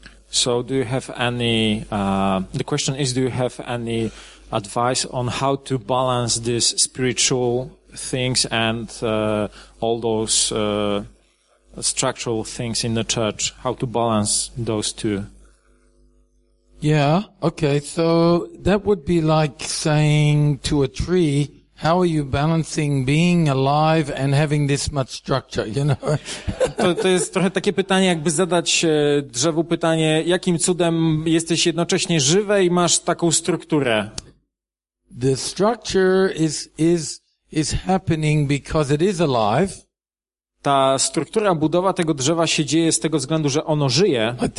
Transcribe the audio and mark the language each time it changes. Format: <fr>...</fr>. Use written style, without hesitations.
<en>So do you have any, the question is, do you have any advice on how to balance these spiritual things and all those structural things in the church? How to balance those two? Yeah, okay, so that would be like saying to a tree, how are you balancing being alive and having this much structure, you know?</en> <pl>To jest trochę takie pytanie, jakby zadać drzewu pytanie, jakim cudem jesteś jednocześnie żywy i masz taką strukturę?</pl> <en>The structure is happening because it is alive.</en> <pl>Ta struktura, budowa tego drzewa się dzieje z tego względu, że ono żyje.</pl>